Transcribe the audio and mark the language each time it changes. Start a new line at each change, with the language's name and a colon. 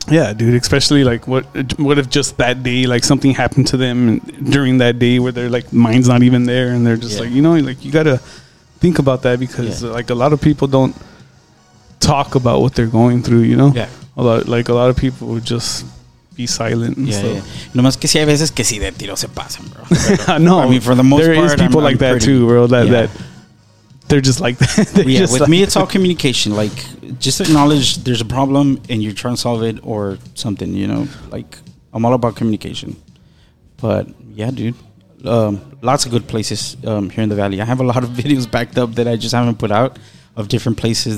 English: Yeah, dude, especially like what if just that day like something happened to them during that day where their like mind's not even there and they're just like, you know, like you gotta think about that because like a lot of people don't talk about what they're going through, you know. Yeah, a lot of people would just be silent and
Spanish: no más que si hay veces que si de tiro se pasan, bro.
English: No, I mean, for the most there part there is people I'm like that too, bro. They're just like that. With me, it's all communication. Like, just acknowledge there's a problem and you're trying to solve it or something, you know? Like, I'm all about communication. But, yeah, dude. Lots of good places here in the Valley. I have a lot of videos backed up that I just haven't put out of different places.